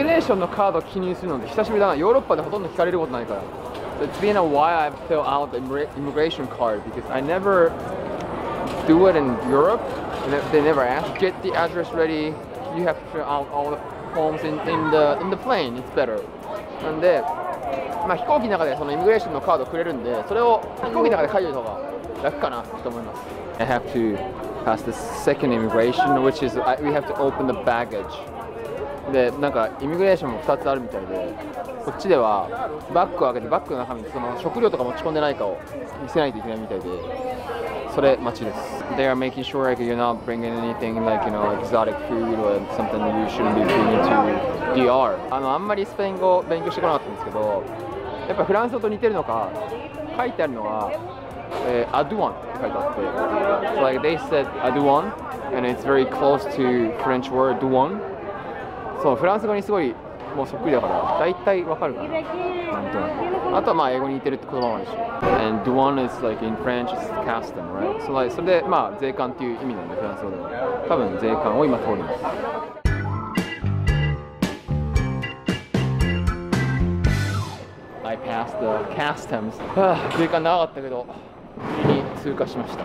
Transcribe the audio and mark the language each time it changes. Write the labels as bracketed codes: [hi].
[ja] のカードを記入するので久しぶりだな。ヨーロッパでほとんど聞かれることないから。 [en] So、it's been a while I've filled out the immigration card because I never do it in Europe. They never ask. Get the address ready. You have to fill out all the forms in the plane. It's better. [ja] なんで、まあ飛行機の中でそのイミグレーションのカードをくれるんで、それを飛行機の中で解除した方が楽かなと思います。 [en] I have to pass the second immigration, which is we have to open the baggage. [ja] で、なんかイミグレーションも2つあるみたいで、こっちではバッグを開けてバッグの中にその食料とか持ち込んでないかを見せないといけないみたいで、それ待ちです。 [en] They are making sure like you're not bringing anything like you know exotic food or something that you shouldn't be bringing to DR。 [ja] あんまりスペイン語を勉強してこなかったんですけど、やっぱフランス語と似てるのか、書いてあるのはアドゥアンって書いてあって、 [en] So like they said アドゥアン and it's very close to French word ドゥアン。 [ja] そう、フランス語にすごいもうそっくりだから、だいたいわかるかな、なんとなく。あとはまあ英語に似てるって言葉もあるし。 [en] And douane is like in French, it's custom, right? [ja] So like, それでまあ税関っていう意味なんで、フランス語では。多分税関を今通ります。 [en] I passed the customs. [ja] 税関長かったけど、次に通過しました。